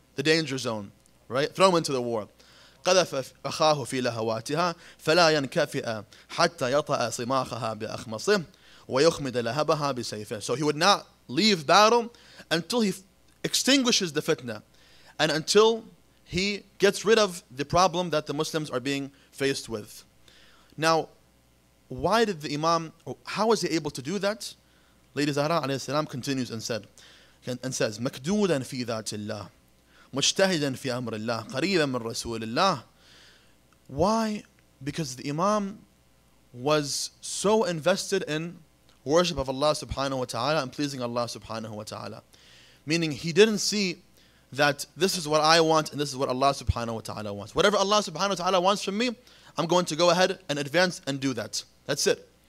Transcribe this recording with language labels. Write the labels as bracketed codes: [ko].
[en] The danger zone, right? Throw him into the war. [ar] قَذَفَ أَخَاهُ فِي لَهَوَاتِهَا فَلَا يَنْكَفِئَ حَتَّى يَطَأَ صِمَاخَهَا بِأَخْمَصِهِ وَيُخْمِدَ لَهَبَهَا بِسَيْفِهِ. [en] So he would not leave battle until he extinguishes the fitna and until he gets rid of the problem that the Muslims are being faced with. Now, why did the Imam, how was he able to do that? Lady Zahra alayhi salam continues and says, [ar] مَكْدُودًا فِي ذَاتِ اللَّهِ مُجْتَهِدًا فِي أَمْرِ اللَّهِ قَرِيبًا مِنْ رَسُولِ اللَّهِ. [en] Why? Because the Imam was so invested in worship of Allah subhanahu wa ta'ala and pleasing Allah subhanahu wa ta'ala. Meaning he didn't see that this is what I want and this is what Allah subhanahu wa ta'ala wants. Whatever Allah subhanahu wa ta'ala wants from me, I'm going to go ahead and advance and do that. That's it.